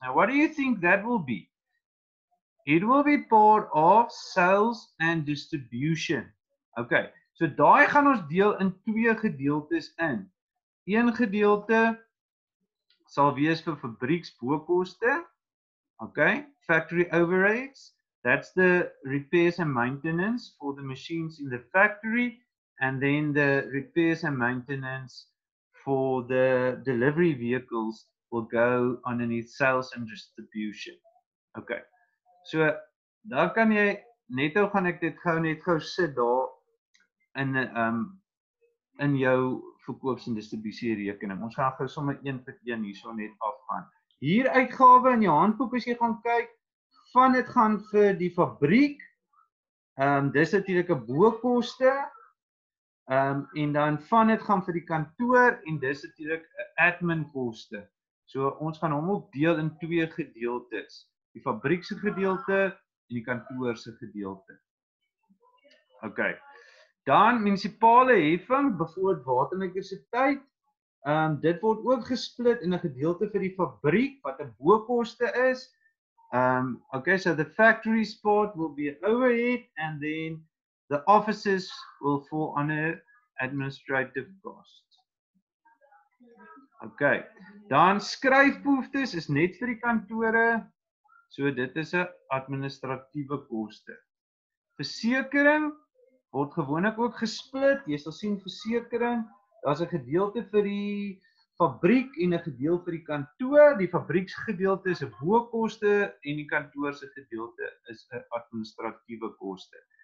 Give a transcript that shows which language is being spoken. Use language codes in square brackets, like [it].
[en] Now, what do you think that will be? It will be part of sales and distribution. [af] Ok, so daai gaan ons deel in twee gedeeltes in. Een gedeelte sal wees vir fabrieksboekoste. [en] Ok, factory overheads. That's the repairs and maintenance for the machines in the factory. And then the repairs and maintenance for the delivery vehicles will go underneath sales and distribution. [af] Ok. So, daar kan jy, netto gaan ek dit gou net gou sit daar in jou verkoops- en distributierekening. Ons gaan gou sommer een vir een hier so net afgaan. Hier uitgawe in jou handboek as jy gaan kyk, van dit gaan vir die fabriek, dis natuurlijk 'n boekoste, en dan van dit gaan vir die kantoor, en dis natuurlijk 'n adminkoste. So, ons gaan hom ook deel in twee gedeeltes. Die fabriekse gedeelte en die kantoorse gedeelte. Ok, dan municipale heffing, bijvoorbeeld waterelektrisiteit, Dit word ook gesplit in 'n gedeelte vir die fabriek, wat 'n bokoste is. [en] Okay, so the factory spot will be overhead, and then the offices will fall under administrative costs. [af] Okay, dan skryfbehoeftes is net vir die kantore, so dit is 'n administratiewe koste. Versekering word gewoonlik ook gesplit, jy sal sien versekering, daar is 'n gedeelte vir die fabriek en 'n gedeelte vir die kantoor, die fabrieksgedeelte is 'n bokoste en die kantoorse gedeelte is 'n administratiewe koste.